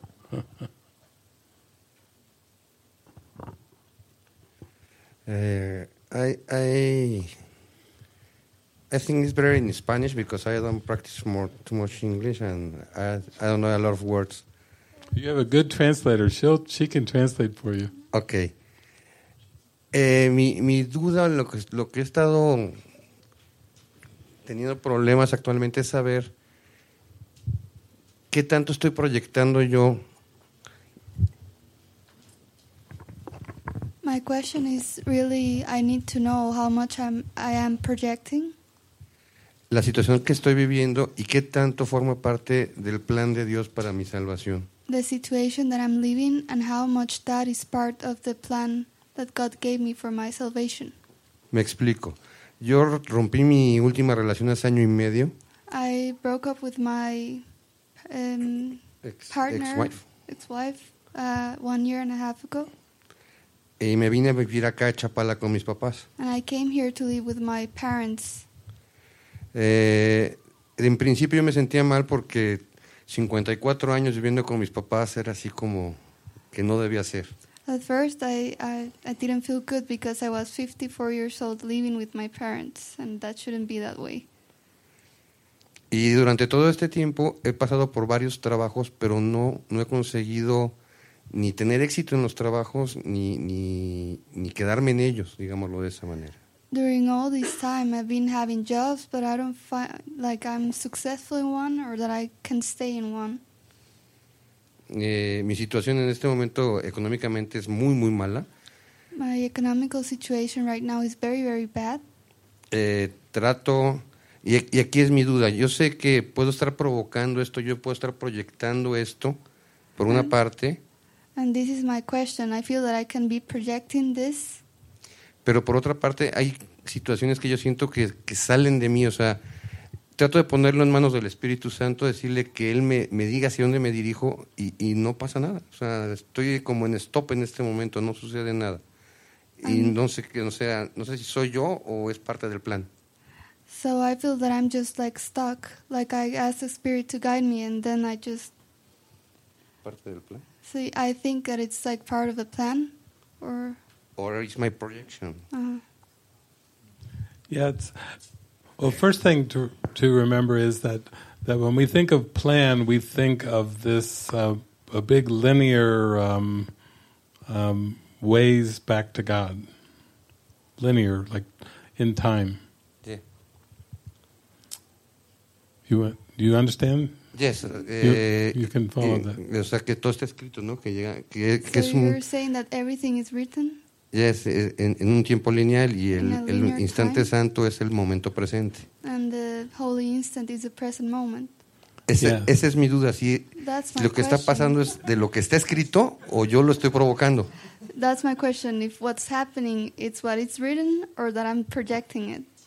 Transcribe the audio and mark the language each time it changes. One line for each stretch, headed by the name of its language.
English: Thank you. I think it's better in Spanish because I don't practice too much English, and I don't know a lot of words. You have a good translator. She can translate for you. Okay.
Spanish: Mi duda, lo que he estado teniendo problemas actualmente es saber qué tanto estoy proyectando yo.
English: My question is really, I need to know how much I am projecting.
Spanish: La situación que estoy viviendo y qué tanto forma parte del plan de Dios para mi salvación.
English: The situation that I'm living and how much that is part of the plan that God gave me for my salvation.
Spanish: Me explico. Yo rompí mi última relación hace año y medio.
English: I broke up with my ex-wife 1 year and a half ago.
Spanish: Y me vine a vivir acá a Chapala con mis papás.
English: And I came here to live with my parents.
Spanish: En principio yo me sentía mal porque 54 años viviendo con mis papás era así como que no debía ser.
English: At first I didn't feel good because I was 54 years old living with my parents and that shouldn't be that way.
Spanish: Y durante todo este tiempo he pasado por varios trabajos, pero no he conseguido ni tener éxito en los trabajos ni quedarme en ellos, digámoslo de esa manera.
English: During all this time, I've been having jobs, but I don't find like I'm successful in one or that I can stay in one.
Spanish: Mi situación en este momento económicamente es muy, muy mala.
English: My economical situation right now is very, very bad.
Spanish: Trato, y aquí es mi duda, yo sé que puedo estar provocando esto, yo puedo estar proyectando esto, por una parte.
English: And this is my question, I feel that I can be projecting this.
Spanish: Pero por otra parte, hay situaciones que yo siento que salen de mí, o sea, trato de ponerlo en manos del Espíritu Santo, decirle que Él me diga hacia dónde me dirijo y no pasa nada. O sea, estoy como en stop en este momento, no sucede nada. Y no sé si soy yo o es parte del plan.
English: So I feel that I'm just like stuck, like I ask the Spirit to guide me and then I just...
Spanish: ¿Parte del plan?
English: So I think that it's like part of the plan or... Or it's my projection. Uh-huh. Yeah, it's... Well, first thing to remember is that when we think of plan, we think of this a big linear ways back to God. Linear, like in time. Yeah. Do you understand? Yes. You can follow that.
Spanish: O sea, que todo está escrito, ¿no? Que llega, que
English: so
Spanish: es un,
English: you're saying that everything is written?
Spanish: Yes, en un tiempo lineal y el instante time, santo es el momento presente.
English: And the holy instant is the present moment.
Spanish: Esa es mi duda, si lo que está pasando es de lo que está escrito o yo lo estoy provocando.
English: That's my question, if what's happening it's what it's written or that I'm projecting it.